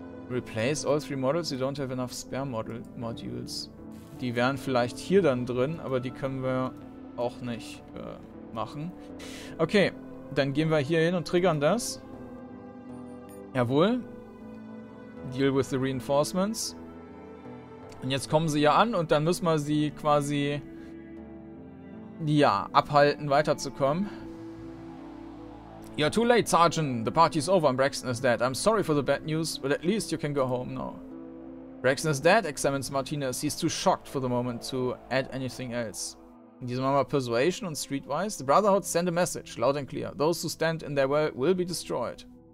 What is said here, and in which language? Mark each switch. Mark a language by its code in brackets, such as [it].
[en] Replace all three models, you don't have enough spare modules. [de] Die wären vielleicht hier dann drin, aber die können wir auch nicht machen. Okay, dann gehen wir hier hin und triggern das. Jawohl. [en] Deal with the reinforcements. [de] Und jetzt kommen sie ja an und dann müssen wir sie quasi, ja, abhalten, weiterzukommen. [en] You're too late, Sergeant. The party's over and Braxton is dead. I'm sorry for the bad news, but at least you can go home now. Braxton is dead, examines Martinez. He's too shocked for the moment to add anything else. [de] In diesem Moment Persuasion und Streetwise. [en] The Brotherhood send a message, loud and clear. Those who stand in their way will be destroyed.